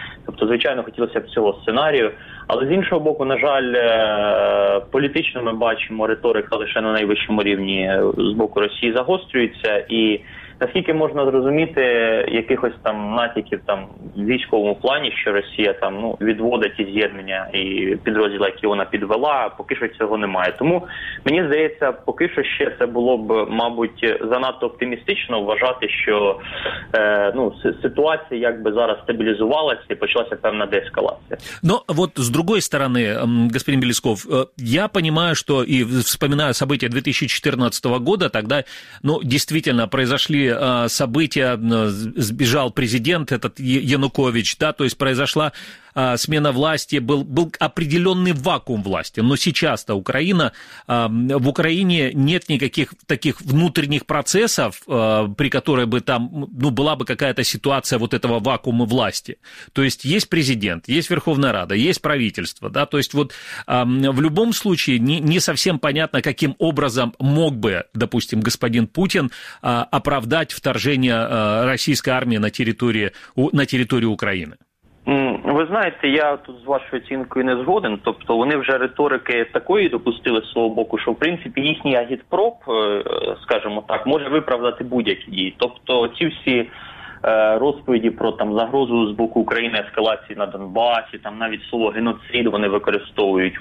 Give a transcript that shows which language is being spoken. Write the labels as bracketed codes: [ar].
[uk] Тобто, звичайно, хотілося б цього сценарію. Але з іншого боку, на жаль, політично ми бачимо, риторика лише на найвищому рівні з боку Росії загострюється, і наскільки можна зрозуміти якихось там натяків там в військовому плані, що Росія там відводить і з'єднання і підрозділи, які вона підвела, поки що цього немає. Тому мені здається, поки що ще це було б, мабуть, занадто оптимістично вважати, що ситуація якби зараз стабілізувалася і почалася певна деескалація. Ну от з другої сторони, [ru] господин Белесков, [uk] я розумію, що і [ru] вспоминаю события 2014 року, тоді дійсно произошли события, сбежал президент этот Янукович, да, то есть произошла смена власти, был определенный вакуум власти, но сейчас-то Украина, в Украине нет никаких таких внутренних процессов, при которой бы там, была бы какая-то ситуация вот этого вакуума власти. То есть есть президент, есть Верховная Рада, есть правительство, да, то есть вот в любом случае не совсем понятно, каким образом мог бы, допустим, господин Путин оправдать вторжение российской армии на территорию Украины. [uk] Ви знаєте, я тут з вашою оцінкою не згоден. Тобто вони вже риторики такої допустили з свого боку, що в принципі їхній агітпроп, скажімо так, може виправдати будь-які дії. Тобто ці всі розповіді про там загрозу з боку України ескалації на Донбасі, там навіть слово геноцид вони використовують.